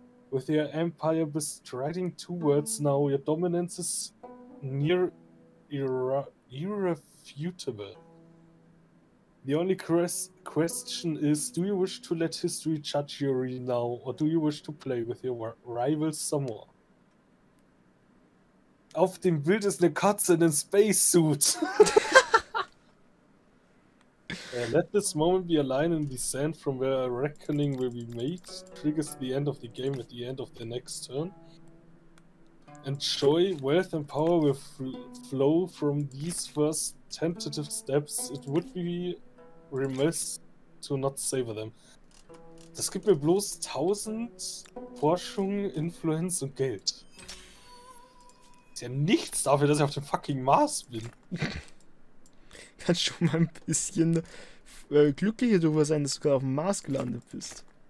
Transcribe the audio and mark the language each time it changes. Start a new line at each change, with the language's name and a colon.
English: With your empire bestriding towards now, your dominance is near irrefutable. The only question is, do you wish to let history judge your renown, or do you wish to play with your rivals some more?
German: Auf dem Bild ist eine Katze in einem Spacesuit.
English: let this moment be a line in the sand from where a reckoning will be made. Triggers the end of the game at the end of the next turn. And joy, wealth and power will flow from these first tentative steps. It would be remiss to not savor them.
German: Das gibt mir bloß 1000 Forschung, Influence und Geld. Ist ja nichts dafür, dass ich auf dem fucking Mars bin. Kannst schon mal ein bisschen glücklicher darüber sein, dass du gerade auf dem Mars gelandet bist.